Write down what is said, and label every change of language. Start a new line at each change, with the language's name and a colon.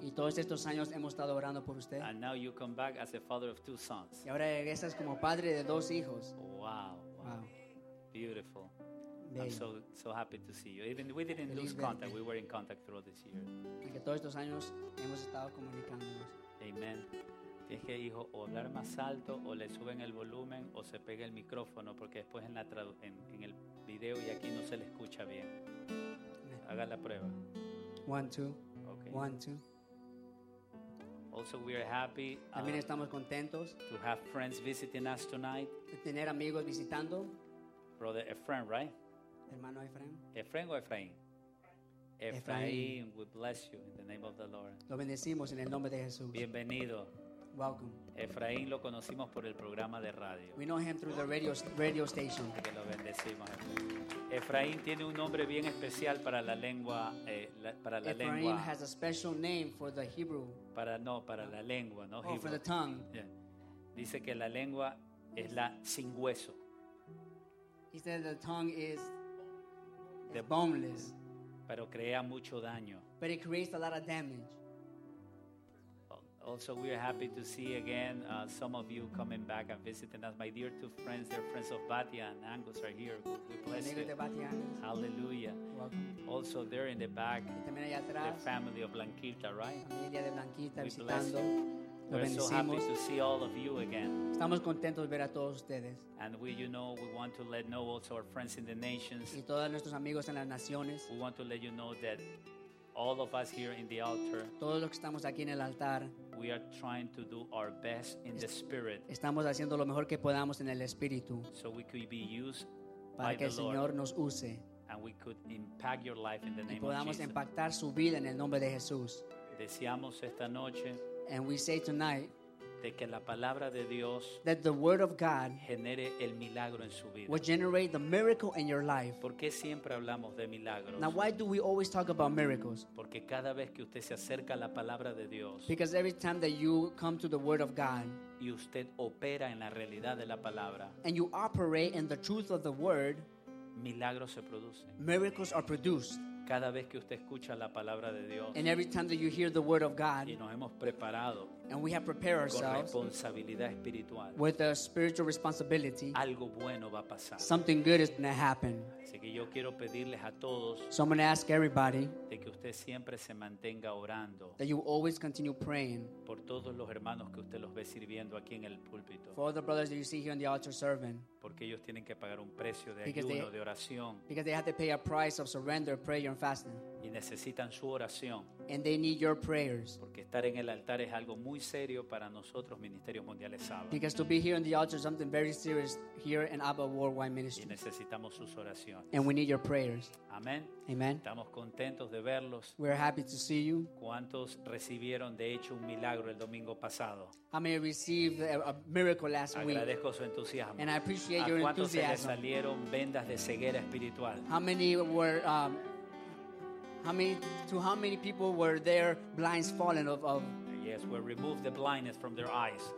Spanish: Y todos estos años hemos estado orando por usted.
English: And now you come back as a father of two sons.
Spanish: Y ahora regresas como padre de dos hijos.
English: Wow. Beautiful. I'm so happy to see you. Even we didn't lose contact. We were in contact through all this year.
Spanish: Porque todos estos años hemos estado comunicándonos.
English: Amen.
Spanish: Tienes que, hijo, o hablar más alto, o le suben el volumen, o se pega el micrófono, porque después en el video y aquí no se le escucha bien. Haga la prueba.
English: One, two. Okay. One, two. Also, we are happy.
Spanish: También estamos contentos.
English: To have friends visiting us tonight.
Spanish: De tener amigos visitando.
English: Brother, a friend, right?
Spanish: Hermano Efraín.
English: Efraín o Efraín. Efraín, we bless you in the name of the Lord.
Spanish: Lo bendecimos en el nombre de Jesús. Bienvenido.
English: Welcome.
Spanish: Efraín lo conocimos por el programa de radio.
English: We know him through the radio station.
Spanish: Que lo bendecimos. Efraín tiene un nombre bien especial para la lengua para la lengua.
English: Efraín has a special name for the Hebrew.
Spanish: La lengua, no
English: Hebrew. For the tongue. Yeah.
Spanish: Dice que la lengua es la sin hueso.
English: He said the tongue is the boneless.
Spanish: Pero crea mucho daño.
English: But it creates a lot of damage. Also, we are happy to see again some of you coming back and visiting us. My dear two friends, they're friends of Batia and Angus are here. We bless you. Hallelujah. Welcome. Also, they're in the back.
Spanish: También allá atrás,
English: the family of Blanquita, right?
Spanish: Familia de Blanquita
English: we
Spanish: visitando.
English: Bless you. We're so happy to see all of you again.
Spanish: Estamos contentos de ver a todos ustedes.
English: And we, you know, we want to let know also our friends in the nations.
Spanish: Y todos nuestros amigos en las naciones.
English: We want to let you know that all of us here in the altar.
Spanish: Todos los que estamos aquí en el altar.
English: We are trying to do our best in the spirit.
Spanish: Estamos haciendo lo mejor que podamos en el espíritu.
English: So we could be used
Spanish: para
English: by
Spanish: que
English: the
Spanish: el Señor
English: Lord.
Spanish: Nos use.
English: And we could impact your life in the name of Jesus.
Spanish: Y podamos impactar su vida en el nombre de Jesús. Deseamos esta noche.
English: And we say tonight
Spanish: de que la palabra de Dios
English: that the word of God
Spanish: genere el milagro en su vida.
English: Will generate the miracle in your life.
Spanish: ¿Por qué siempre hablamos de milagros?
English: Now why do we always talk about miracles?
Spanish: Porque cada vez que usted se acerca a la palabra de Dios,
English: because every time that you come to the word of God
Spanish: y usted opera en la realidad de la palabra,
English: and you operate in the truth of the word,
Spanish: milagros se producen.
English: Miracles are produced.
Spanish: Cada vez que usted escucha la palabra de Dios,
English: and every time that you hear the word of God,
Spanish: y nos hemos preparado,
English: and we have prepared ourselves,
Spanish: con responsabilidad espiritual,
English: with a spiritual responsibility,
Spanish: algo bueno va a pasar.
English: Something good is going to happen.
Spanish: Así que yo quiero pedirles a todos,
English: so I'm going to ask everybody,
Spanish: de que usted siempre se mantenga orando,
English: that you always continue praying,
Spanish: por todos los hermanos que usted los ve sirviendo aquí en el púlpito,
English: for all the brothers that you see here on the altar serving,
Spanish: porque ellos tienen que pagar un precio de ayuno, de oración,
English: because they have to pay a price of surrender, prayer, and fasting.
Spanish: Y necesitan su oración.
English: And they need your prayers.
Spanish: Porque estar en el altar es algo muy serio para nosotros, Ministerios Mundiales Saba.
English: Because to be here on the altar is something very serious here in Abba Worldwide Ministry.
Spanish: Y necesitamos sus oraciones.
English: And we need your prayers.
Spanish: Amén.
English: Amen.
Spanish: Estamos contentos de verlos.
English: We're happy to see you.
Spanish: ¿Cuántos recibieron de hecho un milagro el domingo pasado?
English: How many received a miracle last week?
Spanish: Agradezco su entusiasmo.
English: And I appreciate your enthusiasm.
Spanish: ¿A cuántos se les salieron vendas de ceguera espiritual?
English: How many people were their blinds fallen of? Yes, we removed the blindness from their eyes.